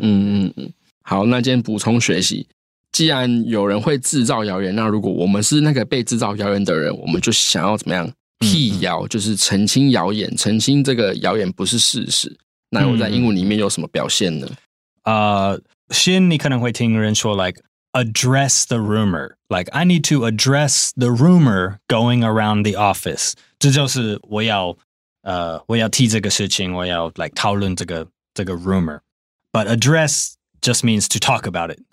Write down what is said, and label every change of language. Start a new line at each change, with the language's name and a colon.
Chinese: 嗯嗯嗯，好，那今天补充学习，既然有人会制造谣言，那如果我们是那个被制造谣言的人，我们就想要怎么样辟谣，就是澄清谣言，澄清这个谣言不是事实。那我在英文里面有什么表现呢？先你可能会听人说
English: like address the rumor, like I need to address the rumor going around the office.
Chinese: 这就是我要提这个事情，我要 like 讨论这个。这个
English: rumor, but address just means to talk about it.